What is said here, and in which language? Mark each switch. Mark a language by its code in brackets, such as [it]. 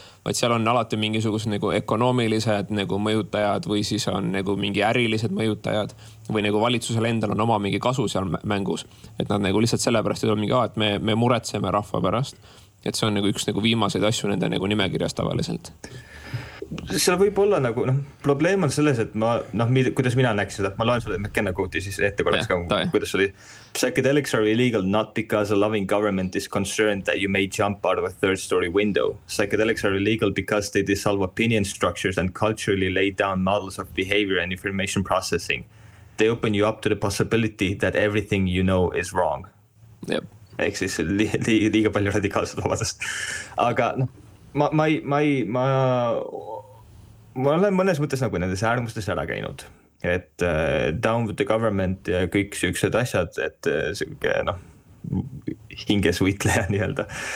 [et] Vaid seal on alati mingisugused nagu ekonoomilised nagu mõjutajad või siis on nagu mingi ärilised mõjutajad või nagu valitsusel endal on oma mingi kasu seal mängus. Et nad nagu lihtsalt sellepärast ei ole mingi, et me muretseme rahva pärast. Et see on nagu üks nagu viimased asju nende nagu nimekirjas tavaliselt. Seal võib olla nagu, noh, probleem on selles, et ma, noh, kuidas mina näeks seda, ma loen sulle McKenna quote'i siis ettekorraks ka, ta, kuidas oli. [en] Psychedelics are illegal not because a loving government is concerned that you may jump out of a third story window. Psychedelics are illegal because they dissolve opinion structures and culturally lay down models of behavior and information processing. They open you up to the possibility that everything you know is wrong. Yep. [et] Eks siis liiga palju radikaalselt vabadest. Aga, noh. Ma olen mõnes mõttes nagu nendes äärmustes ära käinud, et [en] down with the government [et] ja kõik süüksed asjad, et see, no, hinges võitleja nii-öelda.